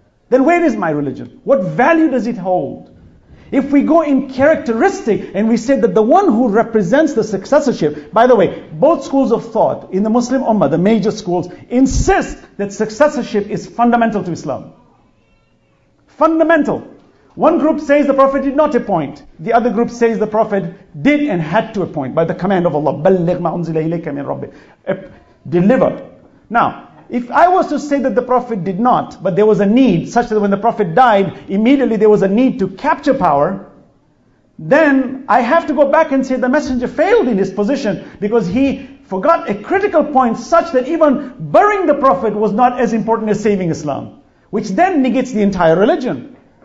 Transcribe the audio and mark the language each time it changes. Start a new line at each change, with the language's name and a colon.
English: Then where is my religion? What value does it hold? If we go in characteristic and we say that the one who represents the successorship, by the way, both schools of thought in the Muslim Ummah, the major schools, insist that successorship is fundamental to Islam. Fundamental. One group says the Prophet did not appoint. The other group says the Prophet did and had to appoint by the command of Allah.
Arabic: بَلِّغْ مَا أُنزِلَ إِلَيْكَ مِنْ رَبِّهِ
English: Deliver. Now, if I was to say that the Prophet did not, but there was a need, such that when the Prophet died, immediately there was a need to capture power, then I have to go back and say the messenger failed in his position because he forgot a critical point such that even burying the Prophet was not as important as saving Islam, which then negates the entire religion.